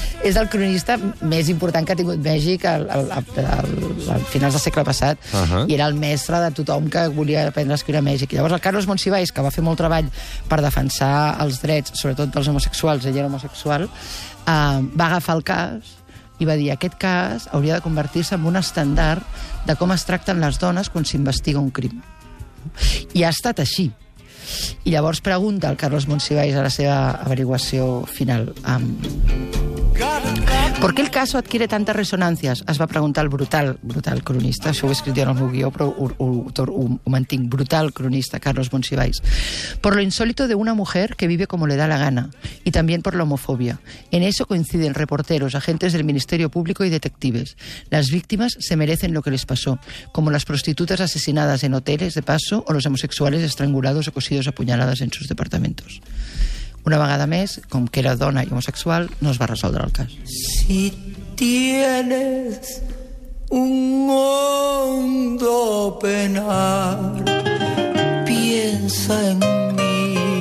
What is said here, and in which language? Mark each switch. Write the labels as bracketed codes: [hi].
[ca] És el cronista més important que ha tingut Mèxic al finals del segle passat i era el mestre de tothom que volia aprendre a escriure a Mèxic. I llavors el Carlos Monsiváis, que va fer molt treball per defensar els drets, sobretot dels homosexuals, ell era homosexual, va agafar el cas i va dir aquest cas hauria de convertir-se en un estàndard de com es tracten les dones quan s'investiga un crim. I ha estat així. I llavors pregunta el Carlos Monsiváis a la seva averiguació final. [es] ¿Por qué el caso adquiere tantas resonancias? [ca] Es va preguntar el brutal cronista, això ho he escrit jo en el meu guió, però ho mantinc, brutal cronista, Carlos Monsiváis. [es] Por lo insólito de una mujer que vive como le da la gana, y también por la homofobia. En eso coinciden reporteros, agentes del Ministerio Público y detectives. Las víctimas se merecen lo que les pasó, como las prostitutas asesinadas en hoteles de paso o los homosexuales estrangulados o cosidos a puñaladas en sus departamentos. [ca] Una vegada més, com que era dona i homosexual, no es va resoldre el cas. [es] Si tienes un hondo penal, piensa en mí.